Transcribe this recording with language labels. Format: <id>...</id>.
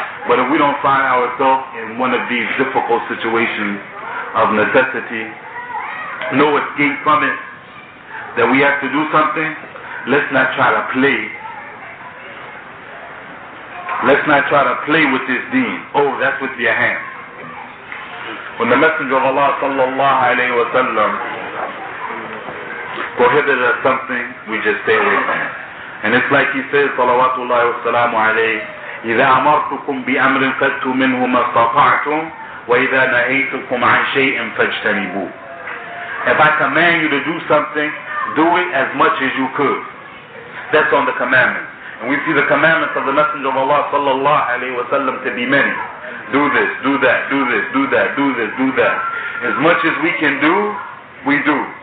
<en>But if we don't find ourselves in one of these difficult situations of necessity, no escape from it, that we have to do something, let's not try to play. Let's not try to play with this deen. Oh, that's with your hands. When the Messenger of Allah sallallahu alayhi wa sallam prohibited us something, we just stay away from it. And it's like he says,</en> <ar>salawatullahi wa salamu alayhi, إِذَا أَمَرْتُكُمْ بِأَمْرٍ فَاتُّوا مِنْهُ مَا اسْتَطَعْتُمْ وَإِذَا نَهَيْتُكُمْ عَنْ شَيْءٍ فَاجْتَنِبُوا.</ar> <en>If I command you to do something, do it as much as you could. That's on the commandment. And we see the commandments of the Messenger of Allah sallallahu alayhi wa sallam to be many. Do this, do that, do this, do that, do this, do that. As much as we can do, we do.</en>